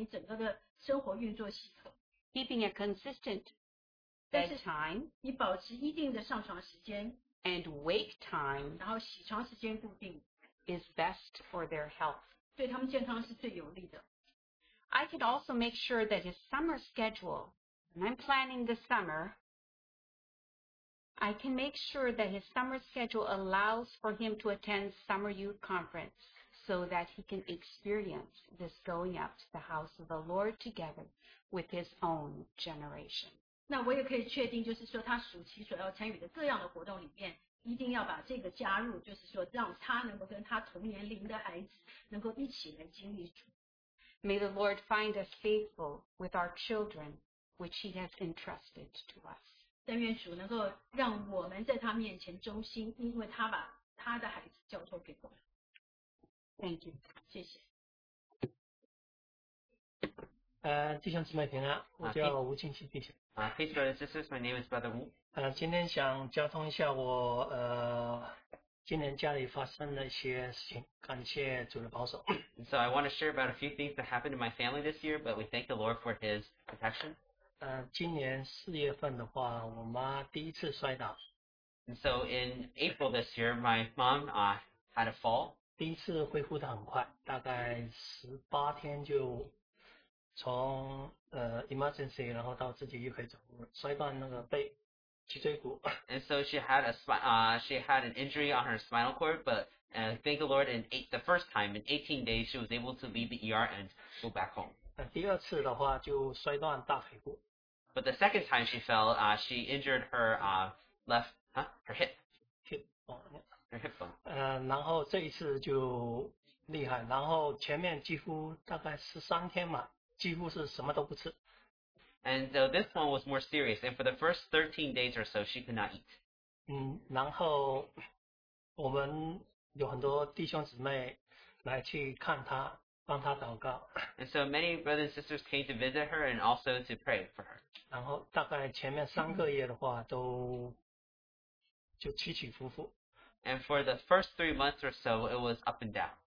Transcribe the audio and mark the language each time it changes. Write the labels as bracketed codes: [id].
[zh] 然后就研究统计看见，就是说，当你这个周末如果说很晚睡觉的话，它会影响你整个的生活运作系统。 [en] Keeping a consistent bedtime. [zh] 你保持一定的上床时间。 [en] And wake time. [zh] 然后起床时间固定。 [en] Is best for their health. [zh] 对他们健康是最有利的。 [en] I can also make sure that his summer schedule, when I'm planning the summer, I can make sure that his summer schedule allows for him to attend summer youth conference so that he can experience this going up to the house of the Lord together with his own generation. [zh] 那我也可以确定就是说他暑期所要参与的各样的活动里面一定要把这个加入，就是说让他能够跟他同年龄的孩子能够一起来经历。 [en] May the Lord find us faithful with our children, which he has entrusted to us. [zh] 但愿主能够让我们在他面前忠心，因为他把他的孩子交托给我们。 [en] Thank you， [zh] 谢谢。弟兄姊妹平安，我叫吴庆熙弟兄。 [en] Peace brothers, this is my name is Brother Wu。 [zh] 今天想交通一下我今年家里发生的一些事情，感谢主的保守。 [en] So I want to share about a few things that happened in my family this year, but we thank the Lord for His protection. [zh] 今年四月份的话，我妈第一次摔倒。 [en] And so in April this year, my mom had a fall. [zh] 第一次恢复的很快，大概十八天就从emergency， 然后到自己又可以走路，摔断那个背。 [en] And so she had an injury on her spinal cord, but thank the Lord, in 18 days, she was able to leave the ER and go back home. [zh] 第二次的话就摔断大腿骨。 [en] But the second time she fell, she injured her hip bone. [zh] 然后这一次就厉害，然后前面几乎大概13天嘛，几乎是什么都不吃。 [en] And so this one was more serious, and for the first 13 days or so, she could not eat. [zh] 然后我们有很多弟兄姊妹来去看她，帮她祷告。 [en] And so many brothers and sisters came to visit her and also to pray for her. [zh] 然后大概前面三个月的话都就起起伏伏。 [en] And for the first 3 months or so, it was up and down.